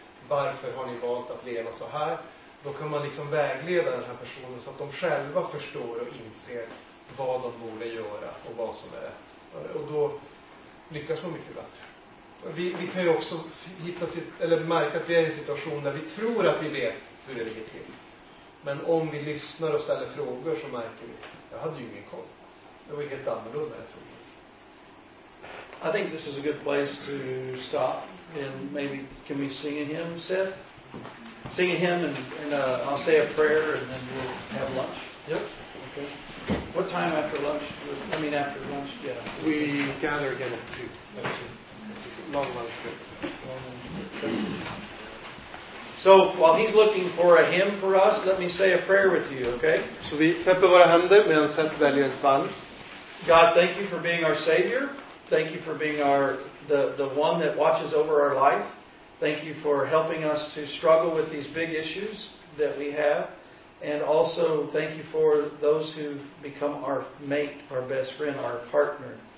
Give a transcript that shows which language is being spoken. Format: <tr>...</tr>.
<sv>Varför har ni valt att leva så här? Då kan man liksom vägleda den här personen så att de själva förstår och inser vad de borde göra och vad som är rätt. Och då lyckas man mycket bättre. Vi kan ju också märka att vi är i en situation där vi tror att vi vet hur det ligger till. Men om vi lyssnar och ställer frågor så märker vi, jag hade ju ingen koll. Det var helt annorlunda, jag tror.</sv> <en>I think this is a good place to stop. And maybe can we sing a hymn, Seth? Sing a hymn, and I'll say a prayer, and then we'll have lunch. Yep. Okay. What time after lunch? I mean, after lunch, yeah. We gather again at 2. Long lunch. So while he's looking for a hymn for us, let me say a prayer with you, okay?</en> <sv>Så vi knäpper våra händer medan Seth väljer en psalm.</sv> <en>God, thank you for being our Savior. Thank you for being our the one that watches over our life. Thank you for helping us to struggle with these big issues that we have. And also thank you for those who become our mate, our best friend, our partner.</en>